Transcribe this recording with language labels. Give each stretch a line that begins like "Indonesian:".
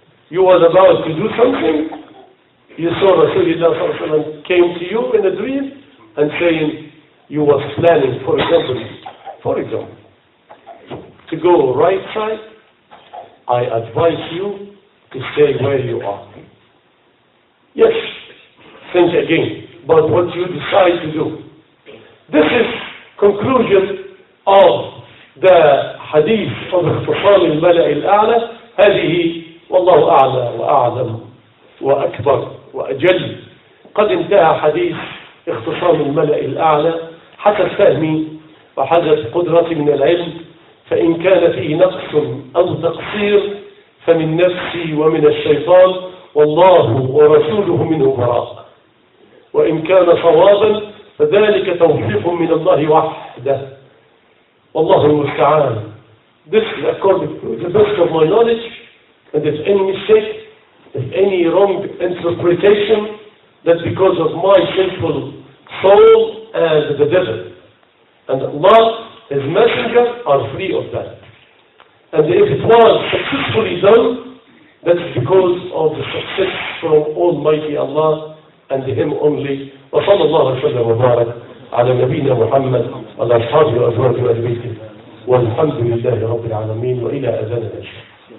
English: You were about to do something, you saw Rasulullah sallallahu alayhi wa sallam came to you in a dream and saying you were planning, for example, to go right side, I advise you to stay where you are. Yes. Think again about what you decide to do. This is conclusion of the hadith of Al-Fasal al-Mala' al-A'la.
Arabic: هذه والله أعلى وأعظم وأكبر وأجل. قد انتهى حديث اختصام الملأ الأعلى حسب فهمي وحسب قدرتي من العلم، فإن كان فيه نقص أو تقصير فمن نفسي ومن الشيطان، والله ورسوله منه براء، وإن كان صوابا فذلك توفيق من الله وحده، والله المستعان.
English: This is according to the best of my knowledge, and if any mistake, if any wrong interpretation, that because of my sinful soul and the devil. And Allah, His Messenger, are free of that. And if it was successfully done, that's because of the success from Almighty Allah and him only.
Arabic: وصلى الله وسلم وبارك على نبينا محمد وعلى اصحابه وازواجه واهل بيته، والحمد لله رب العالمين، والى اذان الاشهر.